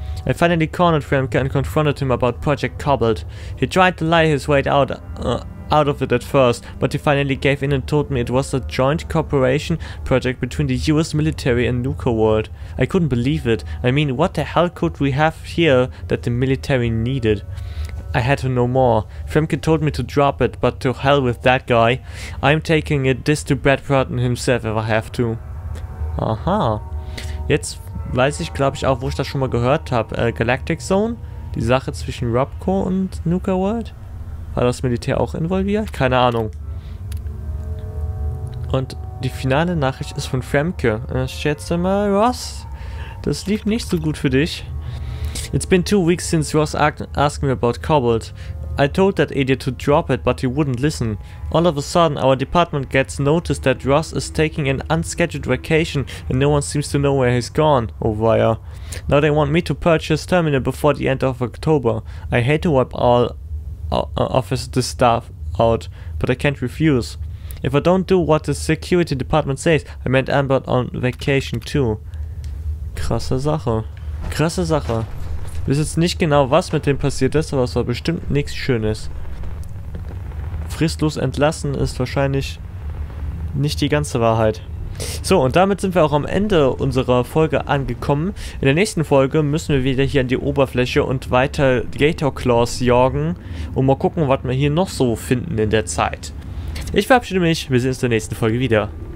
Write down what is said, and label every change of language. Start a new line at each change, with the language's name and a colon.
English: I finally cornered Framke and confronted him about Project Cobbled. He tried to lie his way out of it at first, but he finally gave in and told me it was a joint cooperation project between the US military and Nuka World. I couldn't believe it. I mean, what the hell could we have here that the military needed? I had to know more. Framke told me to drop it, but to hell with that guy. I'm taking it this to Brad Burton himself if I have to. Aha.
German: Jetzt weiß ich, glaube ich, auch, wo ich das schon mal gehört habe. Galactic Zone? Die Sache zwischen Robco und Nuka World? War das Militär auch involviert? Keine Ahnung. Und die finale Nachricht ist von Framke. Ich schätze mal, Ross, das lief nicht so gut für dich.
English: It's been 2 weeks since Ross asked me about Cobbled. I told that idiot to drop it, but he wouldn't listen. All of a sudden, our department gets notice that Ross is taking an unscheduled vacation and no one seems to know where he's gone. Oh, via. Now they want me to purge his terminal before the end of October. I hate to wipe all of the staff out, but I can't refuse. If I don't do what the security department says, I meant Amber on vacation too.
German: Krasse Sache. Krasse Sache. Ich weiß jetzt nicht genau, was mit dem passiert ist, aber es war bestimmt nichts Schönes. Fristlos entlassen ist wahrscheinlich nicht die ganze Wahrheit. So, und damit sind wir auch am Ende unserer Folge angekommen. In der nächsten Folge müssen wir wieder hier an die Oberfläche und weiter Gatorclaws jagen und mal gucken, was wir hier noch so finden in der Zeit. Ich verabschiede mich, wir sehen uns in der nächsten Folge wieder.